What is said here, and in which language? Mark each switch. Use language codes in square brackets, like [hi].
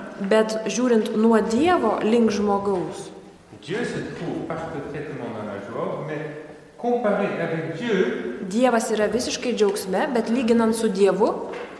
[lt] Bet žiūrint nuo Dievo link žmogaus. [fr] Dieu se trouve parfaitement dans la joie, mais comparé avec Dieu. [lt] Dievas yra visiškai džiaugsme, bet lyginant su Dievu.